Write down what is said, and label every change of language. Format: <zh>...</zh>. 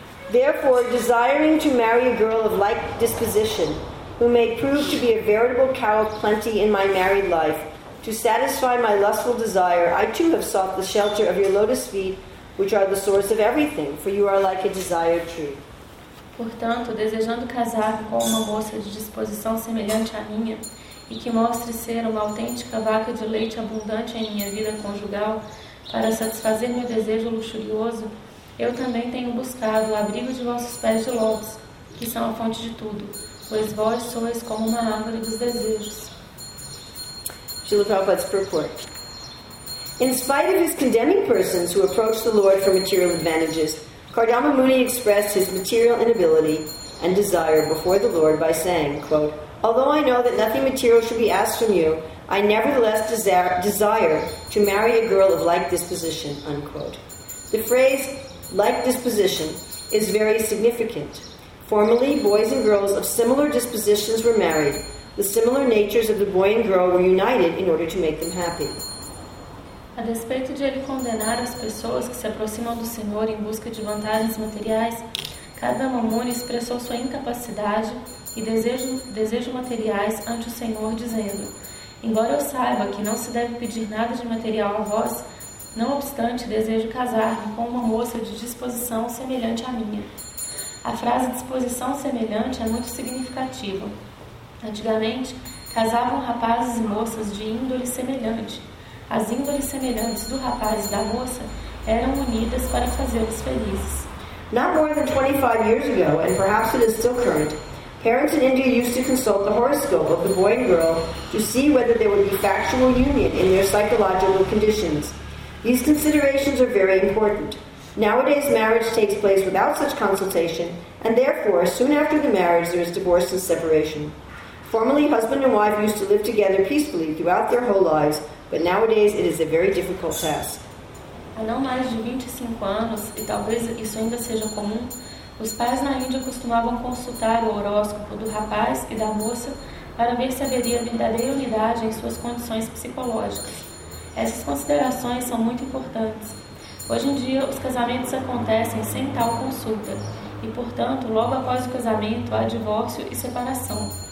<en>Therefore, desiring to marry a girl of like disposition, who may prove to be a veritable cow of plenty in my married life, to satisfy my lustful desire, I too have sought the shelter of your lotus feet, which are the source of everything, for you are like a desired tree.</en> <pt>Portanto, desejando casar com uma moça de disposição semelhante à minha, e que mostre ser uma autêntica vaca de leite abundante em minha vida conjugal, para satisfazer meu desejo luxurioso, eu também tenho buscado o abrigo de vossos pés de lótus, que são a fonte de tudo, pois vós sois como uma árvore dos desejos.</pt> <en>Srila Prabhupada's purport. In spite of his condemning persons who approach the Lord for material advantages, Kardama Muni expressed his material inability and desire before the Lord by saying, quote, although I know that nothing material should be asked from you, I nevertheless desire to marry a girl of like disposition, unquote. The phrase like disposition is very significant. Formerly, boys and girls of similar dispositions were married. The similar natures of the boy and girl were united in order to make them happy.</en> <pt>A despeito de ele condenar as pessoas que se aproximam do Senhor em busca de vantagens materiais, Kardama Muni expressou sua incapacidade e desejo materiais ante o Senhor, dizendo, embora eu saiba que não se deve pedir nada de material a vós, não obstante, desejo casar-me com uma moça de disposição semelhante à minha. A frase disposição semelhante é muito significativa. Antigamente, casavam rapazes e moças de índole semelhante. As índoles semelhantes do rapaz e da moça eram unidas para fazê-los felizes.</pt> <en>Not more than 25 years ago, and perhaps it is still current, parents in India used to consult the horoscope of the boy and girl to see whether there would be factual union in their psychological conditions. These considerations are very important. Nowadays, marriage takes place without such consultation, and therefore, soon after the marriage, there is divorce and separation. Formerly, husband and wife used to live together peacefully throughout their whole lives, but nowadays it is a very difficult task.</en> <pt>Há não mais de 25 anos, e talvez isso ainda seja comum, os pais na Índia costumavam consultar o horóscopo do rapaz e da moça para ver se haveria verdadeira unidade em suas condições psicológicas. Essas considerações são muito importantes. Hoje em dia, os casamentos acontecem sem tal consulta, e, portanto, logo após o casamento, há divórcio e separação.</pt>